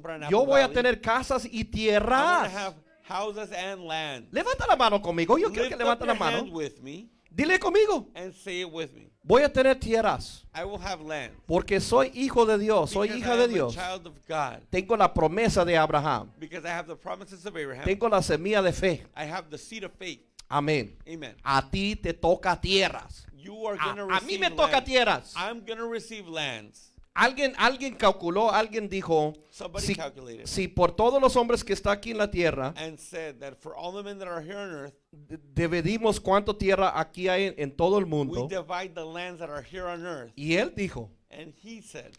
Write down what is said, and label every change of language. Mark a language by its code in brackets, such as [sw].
[es] Yo voy a tener casas y tierras. [en] Houses and land. [es] Levanta la mano conmigo. Yo quiero que levante la mano. Dile conmigo. [en] And say it with me. [es] Voy a tener tierras. [en] I will have land. [es] Porque soy hijo de Dios. [en] Because [es] soy hija de Dios. [en] I am a child of God. [es] Tengo la promesa de Abraham. [en] Because I have the promises of Abraham. [es] Tengo la semilla de fe. [en] I have the seed of faith. [es] Amén. [en] Amen. [es] A ti te toca tierras. [en] You are going to receive [es] land. A mí me toca tierras. [en] I'm going to receive lands. [es] Alguien calculó, alguien dijo, si por todos los hombres que están aquí en la tierra, [en] earth, [es] dividimos cuánto tierra aquí hay en todo el mundo, [en] earth, [es] y él dijo, [en] and he said,